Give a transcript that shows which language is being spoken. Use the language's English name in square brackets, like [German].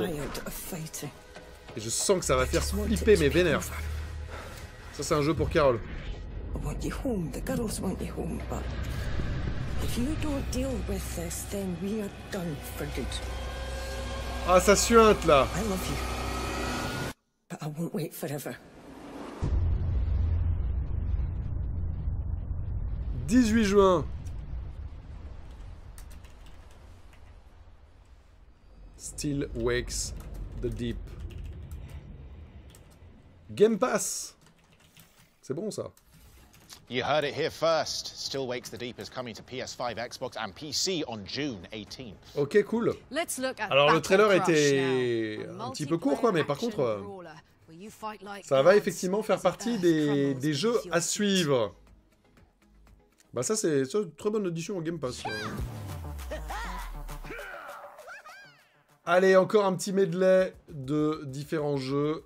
[French] Et je sens que ça va faire flipper mes vénères. Ça, c'est un jeu pour Carol. [English] I want you home. The girls want you home, but if you don't deal with this, then we are done for good. [French] Ah, ça suinte là. [English] I love you, but I won't wait forever. [French] 18 juin. [English] Still wakes the deep. [French] Game Pass. C'est bon ça. [English] You heard it here first. Still wakes the deep is coming to PS5, Xbox and PC on June 18th. OK, cool. Let's look at [French] alors le trailer était [English] now. [French] Un petit peu court quoi, mais par contre ça va effectivement faire partie des jeux à suivre. Bah ça, c'est une très bonne addition au Game Pass. Allez, encore un petit medley de différents jeux.